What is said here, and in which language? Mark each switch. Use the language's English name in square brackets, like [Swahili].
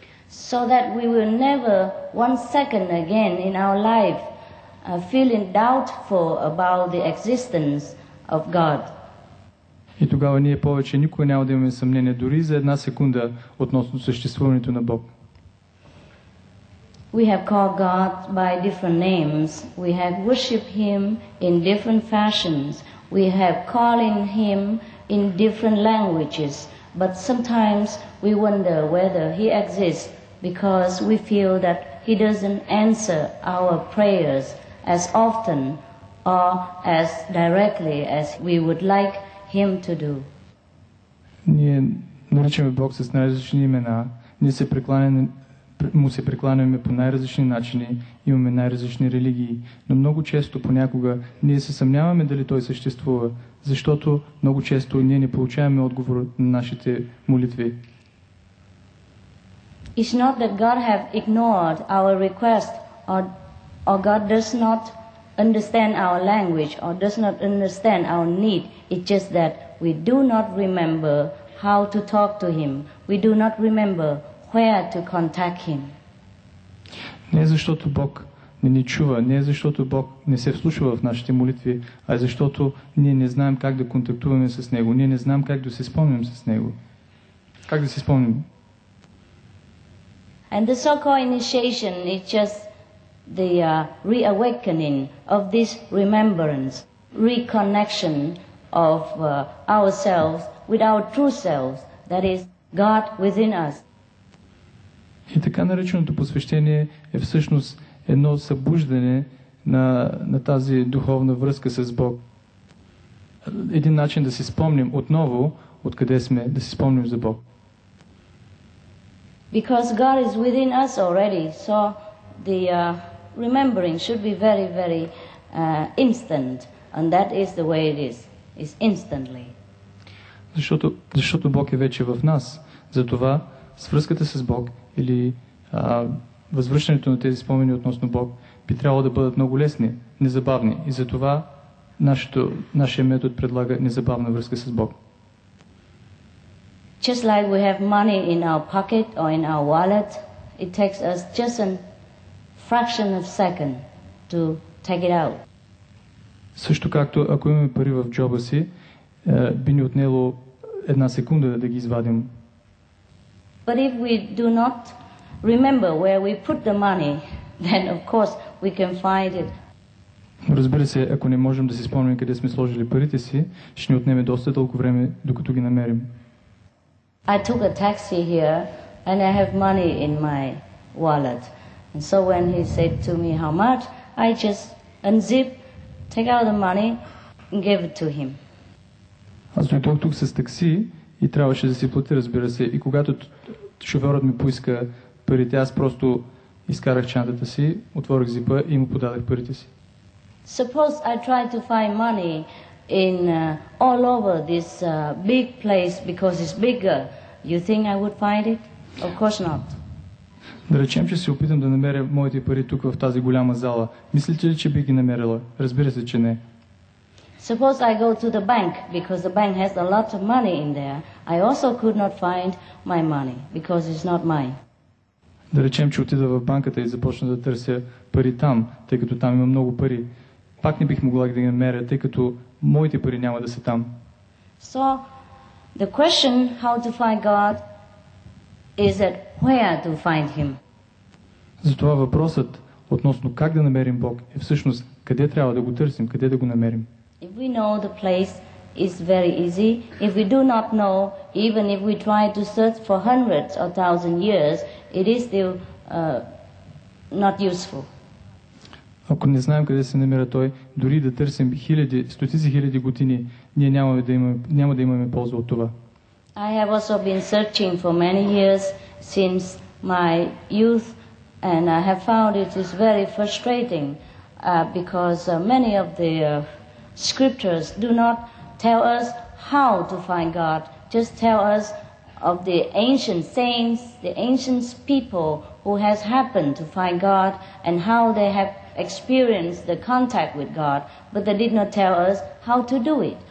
[English] So that we will never one second again in our life feeling doubtful about the existence of God. [Bulgarian] И тогава ние повече никога няма да имаме съмнение дори за една секунда относно съществуването на Бог. [English] We have called God by different names. We have worshipped Him in different fashions. We have calling Him in different languages. But sometimes we wonder whether He exists because we feel that He doesn't answer our prayers as often or as directly as we would like Him to do. [Bulgarian] Ние наричаме Бог с най-различни имена, ние му се прекланяме по най-различни начини, имаме най-различни религии, но много често понякога ние се съмняваме дали Той съществува, защото много често ние не получаваме отговор на нашите молитви. [English] It's not that God have ignored our request or God does not understand our language or does not understand our need. It's just that we do not remember how to talk to Him. We do not remember where to contact Him. [Bulgarian] Не защото Бог не ни чува, не защото Бог не се вслушва в нашите молитви, а защото ние не знаем как да контактуваме с Него. Ние не знаем как да се спомним с Него. Как да се спомним? [English] And the so-called initiation is just the reawakening of this remembrance. reconnection of ourselves with our true selves, that is, God within us. [Bulgarian] И така нареченото посвещение е всъщност едно събуждане на тази духовна връзка с Бог. Един начин да си спомним отново откъде сме, да си спомним за Бог. [English] Because God is within us already, so the remembering should be very, very instant, and that is the way it is. It's instantly. [Bulgarian] Защото Бог е вече в нас, затова свръзката с Бог или възвръщането на тези спомени относно Бог би трябвало да бъдат много лесни, незабавни. И затова нашия метод предлага незабавна връзка с Бог. [English] Just like we have money in our pocket or in our wallet, it takes us just a fraction of a second to take it out. [Bulgarian] Също както ако имаме пари в джоба си, би ни отнело една секунда да ги извадим. [English] But if we do not remember where we put the money, then of course we can find it. [Bulgarian] Разбира се, ако не можем да си спомним къде сме сложили парите си, ще ни отнеме доста дълго време, докато ги намерим. [English] I took a taxi here and I have money in my wallet. And so when he said to me how much, I just unzip, take out the money and gave it to him. [Bulgarian] Аз дойдох тук с такси и трябваше да си платя, разбира се, и когато шофьорът ми поиска парите, аз просто изкарах чантата си, отворих зипа и му подадох парите си. [English] Suppose I try to find money in all over this big place because it's bigger. You think I would find it? Of course not. [Bulgarian] Да речем, че се опитам да намеря моите пари тук в тази голяма зала. Мислите ли, че би ги намерила? Разбира се, че не. [English] Suppose I go to the bank because the bank has a lot of money in there. I also could not find my money because it's not mine. [Bulgarian] Да речем, че отида в банката и започна да търся пари там, тъй като там има много пари. Пак не бих могла да ги намеря, тъй като моите пари няма да са там. [English] So, the question how to find God is that where to find him? [Bulgarian] Затова въпросът относно как да намерим Бог е всъщност къде трябва да го търсим, къде да го намерим. [English] If we know the place, it's very easy. If we do not know, even if we try to search for hundreds or thousand years, it is still not useful. [Bulgarian] Ако не знаем къде се намира той, дори да търсим хиляди, стотици хиляди години, ние няма да имаме полза от това. [English] I have also been searching for many years since my youth, and I have found it is very frustrating because many of the scriptures do not tell us how to find God, just tell us of the ancient saints, the ancient people who has happened to find God and how they have experienced the contact with God, but they did not tell us how to do it.